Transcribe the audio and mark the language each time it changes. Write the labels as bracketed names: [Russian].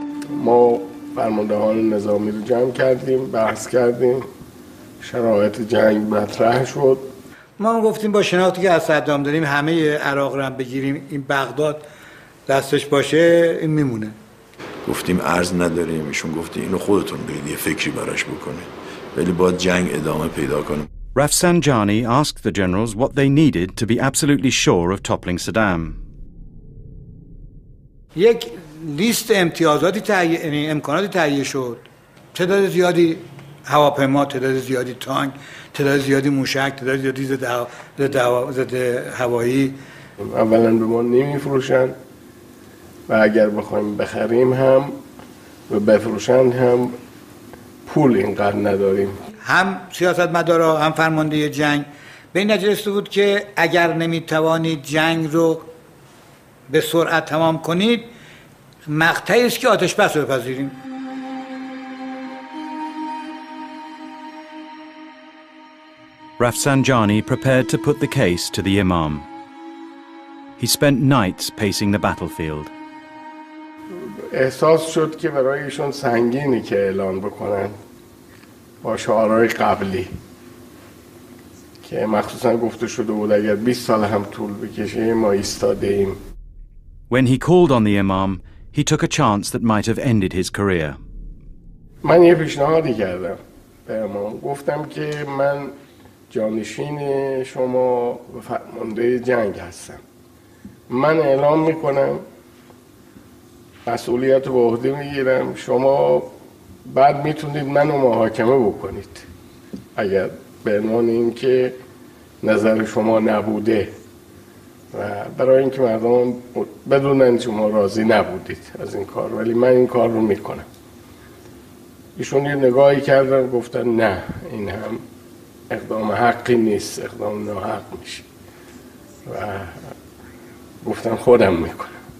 [Persian] ما فرماندهان نظامی رو جمع کردیم، بحث کردیم، شرایط جنگ مطرح شد. ما هم گفتیم با شناختی که از صدام داریم همه عراق رو هم بگیریم این بغداد دستش باشه این میمونه گفتیم عرض نداریم ایشون گفتی اینو خودتون برید یه فکری براش بکنید ولی باید جنگ ادامه پیدا کنه [English] Rafsanjani asked the generals what they needed to be absolutely sure of toppling Saddam [Persian] یک لیست امتیازاتی تهیه یعنی امکاناتی تهیه شد تعداد زیادی هواپیما تعداد زیادی تانک تعداد زیادی موشک تعداد زیادی زده هوایی اولا به ما نمیفروشن و اگر بخوایم بخریم هم و بفروشند هم پول اینقدر نداریم هم سیاست مدارا هم فرمانده جنگ به این نجرسته بود که اگر نمیتوانید جنگ رو به سرعت تمام کنید مقطعی است که آتش بس رو بپذیریم [English] Rafsanjani prepared to put the case to the imam. He spent nights pacing the battlefield. [Persian] احساس شد که برایشون سنگینی که اعلان بکنن با شعارهای قبلی که مخصوصا گفته شده بود اگر 20 سال هم طول بکشه ما ایستاده ایم. [English] When he called on the imam, he took a chance that might have ended his career. [Persian] من یه پیشنهادی کردم به امام گفتم که من جانشین شما و فرمانده جنگ هستم من اعلام میکنم مسئولیت رو به عهده میگیرم شما بعد میتونید منو محاکمه بکنید اگر به عنوان اینکه نظر شما نبوده و برای اینکه مردم بدونن شما راضی نبودید از این کار ولی من این کار رو میکنم ایشون یه نگاهی کردن گفتن نه این هم اقدام حقی نیست اقدام ناحق میشه و گفتم خودم میکنم